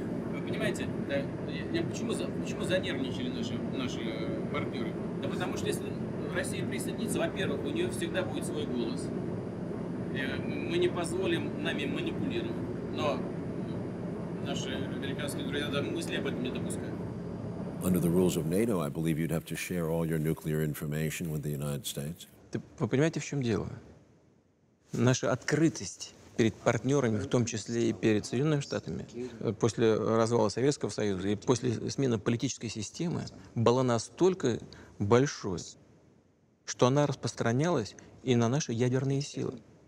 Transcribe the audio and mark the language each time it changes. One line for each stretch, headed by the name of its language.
Russian: Вы понимаете, почему занервничали наши партнеры? Да потому что если Россия присоединится, во-первых, у нее всегда будет свой голос. Мы не позволим нами манипулировать. Но наши американские друзья даже мысли об этом не допускают.
English: Under the rules of NATO, I believe you'd have to share all your nuclear information with the United States.
Russian: Вы понимаете, в чем дело? Наша открытость перед партнерами, в том числе и перед Соединенными Штатами, после развала Советского Союза и после смены политической системы, была настолько большой, что она распространялась и на наши ядерные силы.